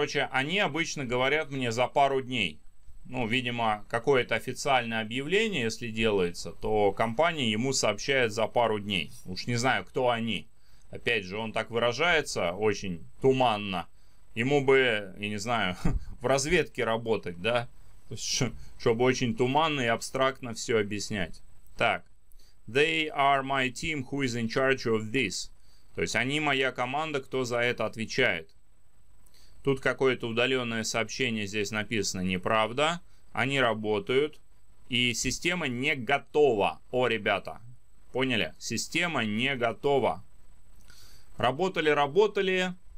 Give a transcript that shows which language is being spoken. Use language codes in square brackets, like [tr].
[ru] Они обычно говорят мне за пару дней. Ну, видимо, какое-то официальное объявление, если делается, то компания ему сообщает за пару дней. Уж не знаю, кто они. Опять же, он так выражается очень туманно. Ему бы, я не знаю, в разведке работать, да? Чтобы очень туманно и абстрактно все объяснять. Так. [en] They are my team who is in charge of this. [ru] То есть они моя команда, кто за это отвечает. Тут какое-то удаленное сообщение здесь написано. Неправда. Они работают. И система не готова. О, ребята. Поняли? Система не готова. Работали.